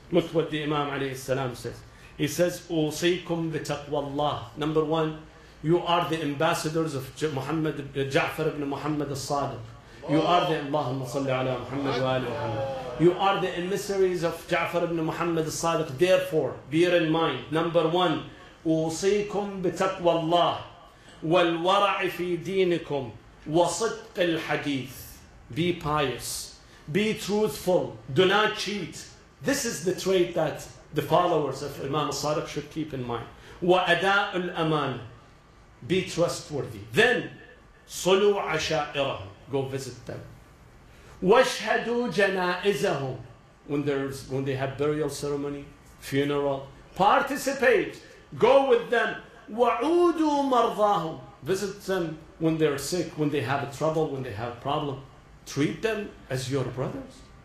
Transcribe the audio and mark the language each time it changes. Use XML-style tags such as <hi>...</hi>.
<en>Look what the Imam alayhi salam says. He says,</en> <ar>"Usaykum bi taqwallah."</ar> <en>Number one, you are the ambassadors of Muhammad, Ja'far ibn Muhammad al-Sadiq. You are the</en> <ar>Allahumma salli ala Muhammad wa ala Muhammad.</ar> <en>You are the emissaries of Ja'far ibn Muhammad al-Sadiq. Therefore, bear in mind, number one,</en> <ar>أوصيكم بتقوى الله والورع في دينكم وصدق الحديث.</ar> <en>Be pious. Be truthful. Do not cheat. This is the trait that the followers of Imam al-Sadiq should keep in mind.</en> <ar>وأداء الأمان.</ar> <en>Be trustworthy. Then,</en> <ar>صلوا عشائرهم.</ar> <en>Go visit them.</en> <ar>واشهدوا جنائزهم.</ar> <en>When they have burial ceremony, funeral, participate. Go with them.</en> <ar>وَعُودُوا مَرْضَاهُمْ.</ar> <en>Visit them when they're sick, when they have a trouble, when they have a problem, treat them as your brothers.</en>